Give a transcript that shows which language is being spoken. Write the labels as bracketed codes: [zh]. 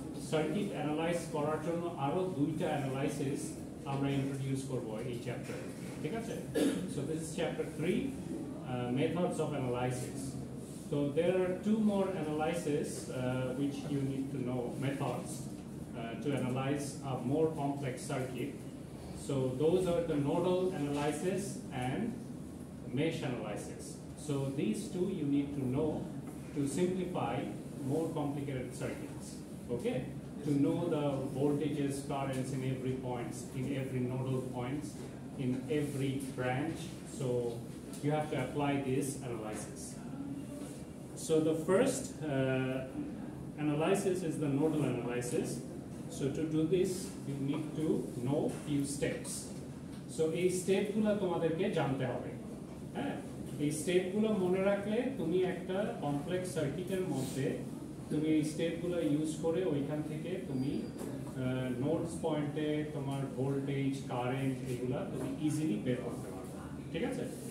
[bn] Circuit analyse করার জন্য আরো দুইটা অ্যানালাইসিস আমরা ইন্ট্রোডিউস করব এই চ্যাপ্টারে ঠিক আছে [en] So this is chapter 3 methods of analysis so there are two more analysis which you need to know methods to analyze a more complex circuit So those are the nodal analysis and mesh analysis. So these two you need to know to simplify more complicated circuits. Okay? Yes. To know the voltages, currents in every points, in every nodal points, in every branch. So you have to apply this analysis. So the first analysis is the nodal analysis. So to do this, you need to know few steps. [bn] So এই স্টেপগুলো তোমাদেরকে জানতে হবে হ্যাঁ এই স্টেপগুলো মনে রাখলে তুমি একটা কমপ্লেক্স সার্কিটের মধ্যে তুমি এই স্টেপগুলো ইউজ করে ওইখান থেকে তুমি নোডস পয়েন্টে তোমার ভোল্টেজ কারেন্ট এগুলো তুমি ইজিলি বের করতে পারবে ঠিক আছে